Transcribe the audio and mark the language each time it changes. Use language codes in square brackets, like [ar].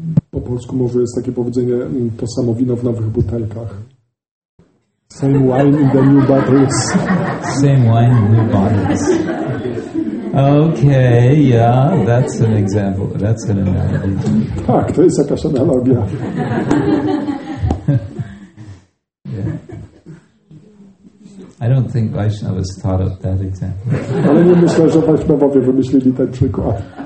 [pl] Po polsku może jest takie powiedzenie to samo wino w nowych butelkach. [en] Same wine in the new bottles. Same wine in new bottles. Okay, yeah, that's an example. That's an analogy. [pl] Tak, to jest jakaś analogia. [en] I don't think Vaishnavas thought of that example. [pl] Ale nie myślę, że Vaishnavowie wymyślili ten przykład.